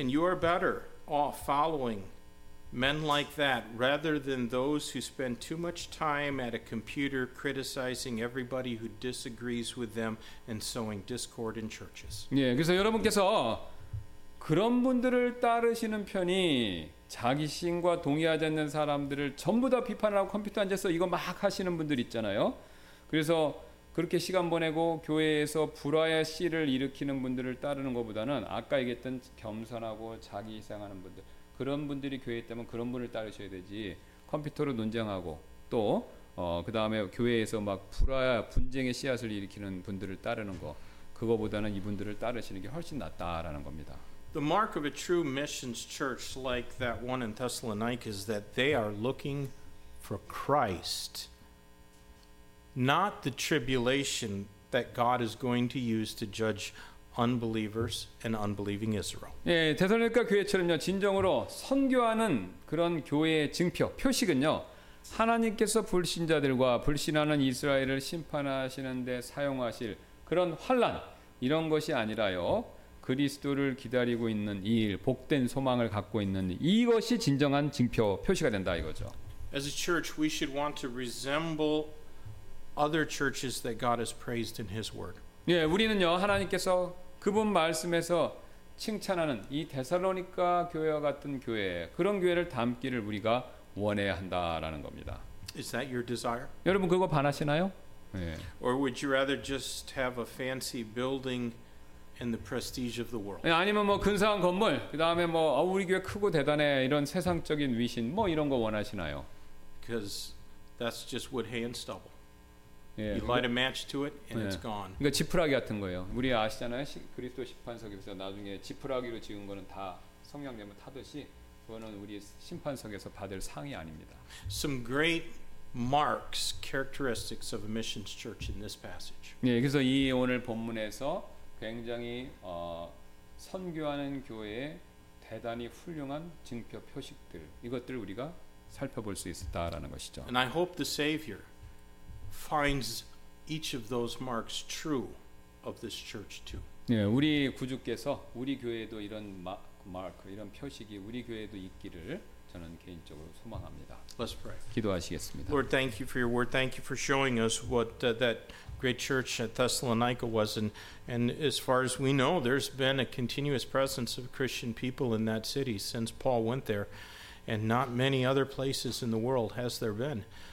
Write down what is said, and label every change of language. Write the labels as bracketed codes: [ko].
[en] And you are better off following men like that rather than those who spend too much time at a computer criticizing everybody who disagrees with them and sowing discord in churches. [ko] 예, 그래서 여러분께서 그런 분들을 따르시는 편이 자기 신과 동의하지 않는 사람들을 전부 다 비판하고 컴퓨터 앉아서 이거 막 하시는 분들 있잖아요. 그래서 그렇게 시간 보내고 교회에서 불화의 씨를 일으키는 분들을 따르는 것보다는 아까 얘기했던 겸손하고 자기 희생하는 분들 그런 분들이 교회에 있다면 그런 분을 따르셔야 되지 컴퓨터로 논쟁하고 또 그 다음에 교회에서 막 불화 분쟁의 씨앗을 일으키는 분들을 따르는 거 그거보다는 이분들을 따르시는 게 훨씬 낫다라는 겁니다. [en] The mark of a true missions church like that one in Thessalonica is that they are looking for Christ, not the tribulation that God is going to use to judge unbelievers and unbelieving Israel. [ko] 예, 데살로니가 교회처럼요. 진정으로 선교하는 그런 교회의 증표, 표식은요. 하나님께서 불신자들과 불신하는 이스라엘을 심판하시는 데 사용하실 그런 환난 이런 것이 아니라요. 그리스도를 기다리고 있는 이 일, 복된 소망을 갖고 있는 이것이 진정한 증표, 표시가 된다 이거죠. [en] As a church, we should want to resemble other churches that God has praised in his word. [ko] 예, 우리는요. 하나님께서 그분 말씀에서 칭찬하는 이 데살로니가 교회와 같은 교회, 그런 교회를 닮기를 우리가 원해야 한다라는 겁니다. [en] Is that your desire? [ko] 여러분 그거 바라시나요? 예. [en] Or would you rather just have a fancy building and the prestige of the world? [ko] 예, 아니면 뭐 근사한 건물, 그다음에 뭐 우리 교회 크고 대단해 이런 세상적인 위신 뭐 이런 거 원하시나요? [en] Because that's just wood hay and stubble. You light a match to it, and it's gone. [ko] 그러니까 지푸라기 같은 거예요. 우리 아시잖아요, 그리스도 심판석에서 나중에 지푸라기로 지은 거는 다 성령 되면 타듯이 그거는 우리 심판석에서 받을 상이 아닙니다. [en] Some great marks, characteristics of a missions church in this passage. [ko] 네, 그래서 이 오늘 본문에서 굉장히 선교하는 교회의 대단히 훌륭한 증표 표식들 이것들을 우리가 살펴볼 수 있었다라는 것이죠. [en] And I hope the Savior finds each of those marks true of this church too. [ko] 예, 우리 구주께서 우리 교회에도 이런 마크, 이런 표식이 우리 교회에도 있기를 저는 개인적으로 소망합니다. [en] Let's pray. [ko] 기도하시겠습니다. [en] Lord, thank you for your word. Thank you for showing us what that great church at Thessalonica was, and as far as we know, there's been a continuous presence of Christian people in that city since Paul went there, and not many other places in the world has there been.